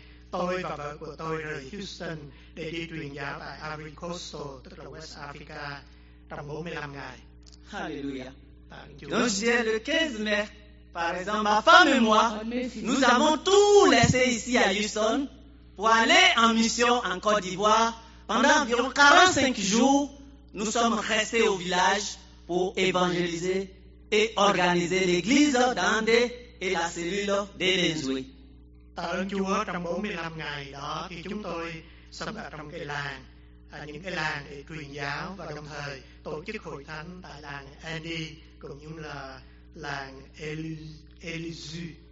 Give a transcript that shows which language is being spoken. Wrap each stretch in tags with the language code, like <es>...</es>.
<vi>tôi và vợ của tôi rời Houston để đi truyền giáo tại Ivory Coast, tức là West Africa, trong 45 ngày. Hallelujah.</vi> <fr>Donc, je disais, le 15 mai, par exemple, ma femme et moi, nous avons tout laissé ici à Houston pour aller en mission en Côte d'Ivoire pendant environ 45 jours. Nous sommes restés au village pour évangéliser et organiser l'église d'Andé et la cellule de Lenzoué.</fr> <vi>Tạ ơn Chúa, trong 45 ngày đó thì chúng tôi sống ở trong cái làng, những cái làng để truyền giáo và đồng thời tổ chức hội thánh tại làng Andy cũng như là làng Elizu.</vi>